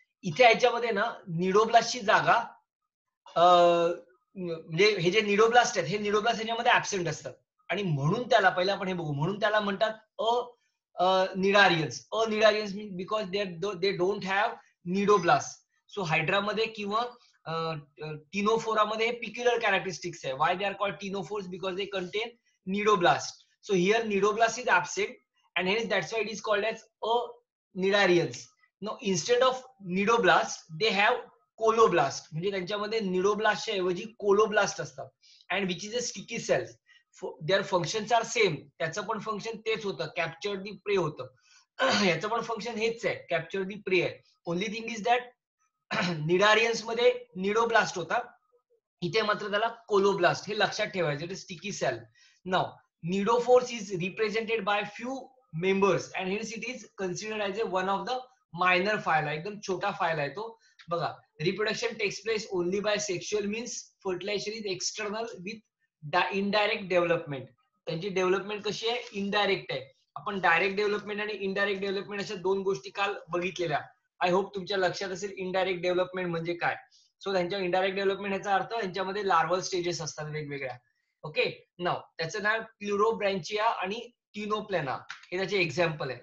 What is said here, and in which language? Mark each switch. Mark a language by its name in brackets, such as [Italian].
[Marathi] इथे याच्यामध्ये ना निडोब्लास्टची जागा म्हणजे हे जे निडोब्लास्ट आहेत, हे निडोब्लास्ट याच्यामध्ये ऍबसेंट असतात, आणि म्हणून त्याला, पहिले आपण हे बघू, म्हणून त्याला म्हणतात अनिडारियन्स [English] Mean because they don't have cnidoblast. [Marathi] So हायड्रामध्ये किंवा टीनोफोरामध्ये हे पिक्युलर कॅरेक्टरिस्टिक्स आहे. [English] Why they are called ctenophores? Because they contain cnidoblast. So here cnidoblast is absent, and hence that's why it is called as a nidarians. Now instead of nidoblast they have coloblast, [Marathi] म्हणजे त्यांच्यामध्ये निडोब्लास्टच्या ऐवजी colloblast असतात, [English] and which is a sticky cells. Their functions are same, [Marathi] त्याचं पण function तेच होतं, [English] Capture the prey होतं. [Marathi] याचं पण फंक्शन हेच आहे, [English] Capture the prey. Only thing is that [Marathi] निडारियन्स मध्ये निडोब्लास्ट होता, इथे मात्र त्याला कोलोब्लास्ट, हे लक्षात ठेवायचं. [English] It is sticky cell. Now ctenophores is represented by few members and hence it is considered as a one of the minor phyla. [Marathi] एकदम छोटा फायल आहे तो. [English] बघा, reproduction takes place only by sexual means, fertilization is external with indirect development. [Marathi] त्यांची development कशी आहे, indirect आहे. आपण डायरेक्ट डेव्हलपमेंट आणि इनडायरेक्ट डेव्हलपमेंट अशा दोन गोष्टी काल बघितलेल्या. [English] I hope [Marathi] तुमच्या लक्षात असेल इनडायरेक्ट डेव्हलपमेंट म्हणजे काय. सो त्यांच्या इनडायरेक्ट डेव्हलपमेंट याचा अर्थ त्यांच्यामध्ये लार्वल स्टेजेस असतात वेगवेगळ्या. ओके, नाव त्याचं नाव प्लुरोब्रँचिया आणि टिनोप्लेना हे त्याचे एक्झाम्पल आहे.